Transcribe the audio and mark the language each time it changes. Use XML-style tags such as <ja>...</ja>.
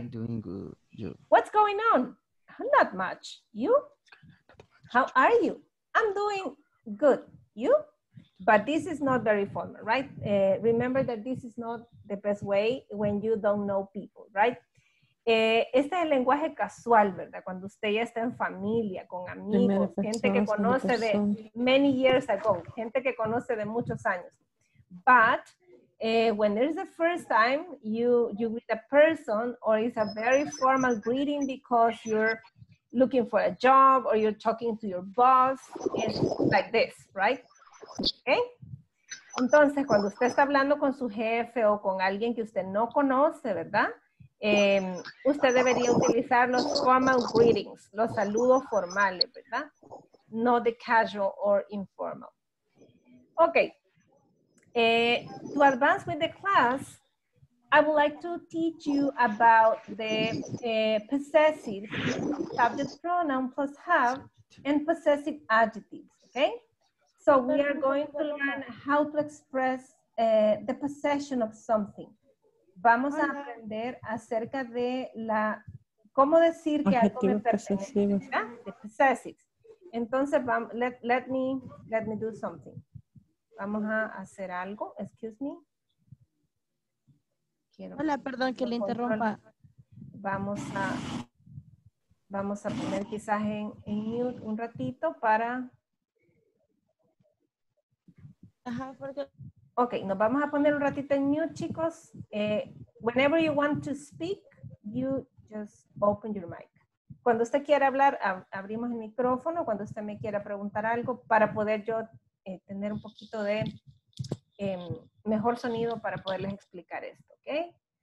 <en>I'm doing good. You. What's going on? Not much. You? How are you? I'm doing good. You? But this is not very formal, right? Remember that this is not the best way when you don't know people, right?</en> <es>Este es el lenguaje casual, ¿verdad? Cuando usted ya está en familia, con amigos, gente que conoce de</es> <en>many years ago,</en> <es>gente que conoce de muchos años.</es> <en>But when there's the first time you greet a person or it's a very formal greeting because you're looking for a job or you're talking to your boss, it's like this, right? Okay?</en> <es>Entonces, cuando usted está hablando con su jefe o con alguien que usted no conoce, ¿verdad? Usted debería utilizar los</es> <en>formal greetings,</en> <es>los saludos formales, ¿verdad?</es> <en>No the casual or informal. Okay. To advance with the class, I would like to teach you about the possessive subject pronoun plus have and possessive adjectives, okay? So we are going to learn how to express the possession of something.</en> <es>Vamos a aprender acerca de la, cómo decir que algo me pertenece, possessive. Entonces,</es> <en>let me do something.</en> <es>Vamos a hacer algo,</es> <en>excuse me.</en> <es>Quiero, hola, perdón que le interrumpa. Vamos a poner quizás en mute un ratito para. Ajá, porque. Ok, nos vamos a poner un ratito en mute, chicos.</es> <en>Whenever you want to speak, you just open your mic.</en> <es>Cuando usted quiera hablar, abrimos el micrófono. Cuando usted me quiera preguntar algo, para poder yo tener un poquito de mejor sonido para poderles explicar esto, ¿ok?</es>